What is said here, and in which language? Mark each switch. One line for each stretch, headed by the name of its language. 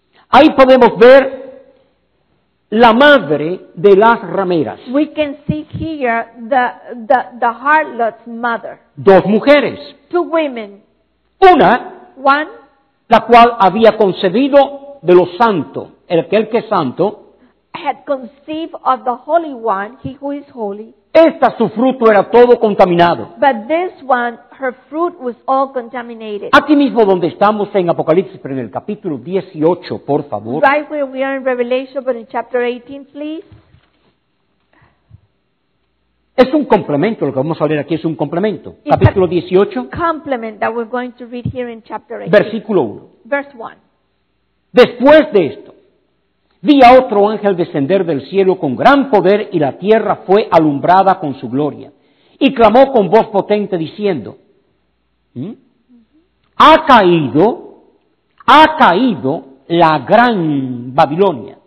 Spanish: ahí podemos ver la madre de las rameras.
English: We can see here the harlot's mother.
Spanish: Dos mujeres.
English: Two women.
Spanish: Una,
English: one,
Spanish: la cual había concebido de los santos, el que es santo,
English: had conceived of the holy one, he who is holy.
Spanish: Esta, su fruto era todo contaminado.
English: But this one, her fruit was all contaminated.
Spanish: Aquí mismo donde estamos en Apocalipsis, pero en el capítulo 18, por favor.
English: Right where we are in Revelation, but in chapter 18, please.
Spanish: Es un complemento, lo que vamos a leer aquí es un complemento.
English: It's
Spanish: capítulo
English: 18. Complement that we're going to read here in chapter 18.
Spanish: Versículo 1.
English: Verse 1.
Spanish: Después de esto, vi a otro ángel descender del cielo con gran poder y la tierra fue alumbrada con su gloria. Y clamó con voz potente diciendo, ha caído la gran Babilonia.